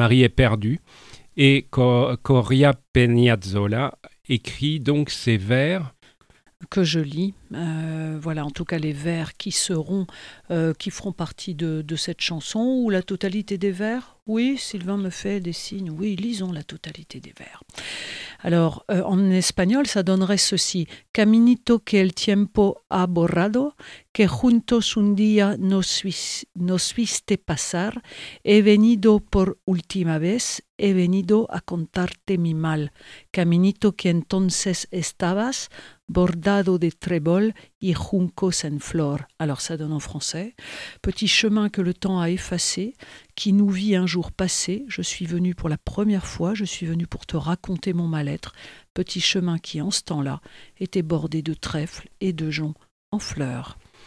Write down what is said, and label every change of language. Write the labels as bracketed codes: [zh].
[fr] Marie est perdue et Correa Penazzola écrit donc ces vers que je lis. Voilà, en tout cas les vers qui seront, qui feront partie de cette chanson, ou la totalité des vers. Oui, Sylvain me fait des signes. Oui, lisons la totalité des vers. Alors, en espagnol, ça donnerait ceci. [es] Caminito que el tiempo ha borrado, que juntos un día nos viste pasar, he venido por última vez, he venido a contarte mi mal. Caminito que entonces estabas, bordado de trébol y juncos en flor. [fr] Alors, ça donne en français. Petit chemin que le temps a effacé, qui nous vit un jour passé, je suis venu pour la première fois, je suis venu pour te raconter mon mal-être. Petit chemin qui, en ce temps-là, était bordé de trèfles et de joncs en fleurs.